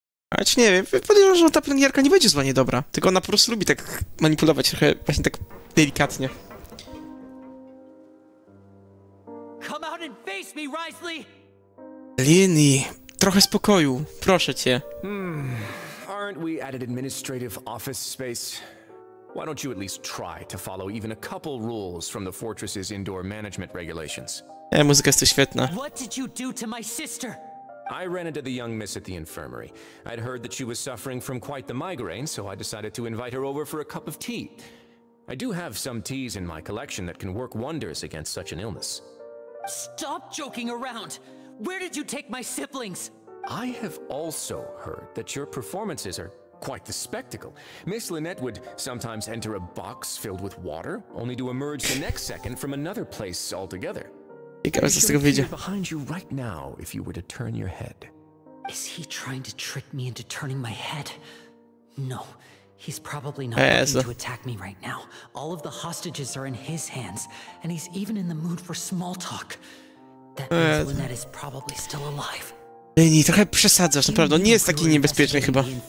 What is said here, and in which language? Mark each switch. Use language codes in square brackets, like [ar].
[pl] Ale nie wiem, podejrzewam, że ta pielęgniarka nie będzie zła niedobra. Tylko ona po prostu lubi tak manipulować trochę, właśnie tak delikatnie. [en] Come out and face me, Reisley! [pl] Lini, trochę spokoju, proszę cię. [en] Aren't we at an administrative office space? Why don't you at least try to follow even a couple rules from the fortress's indoor management regulations? [pl] Muzyka jest świetna. [en] What did you do to my sister? I ran into the young miss at the infirmary. I'd heard that she was suffering from quite the migraine, so I decided to invite her over for a cup of tea. I do have some teas in my collection that can work wonders against such an illness. Stop joking around! Where did you take my siblings? I have also heard that your performances are quite the spectacle. Miss Lynette would sometimes enter a box filled with water, only to emerge the next second from another place altogether. [pl] Ciekawe, co z tego wyjdzie. [en] Behind you right now, if you were to turn your head. Is he trying to trick me into turning my head? No, he's probably not going to attack me right now. All of the hostages are in his hands, and he's even in the mood for small talk. That Miss Lynette is probably still alive. [pl] Nie, trochę przesadzasz, naprawdę. On nie jest taki niebezpieczny chyba.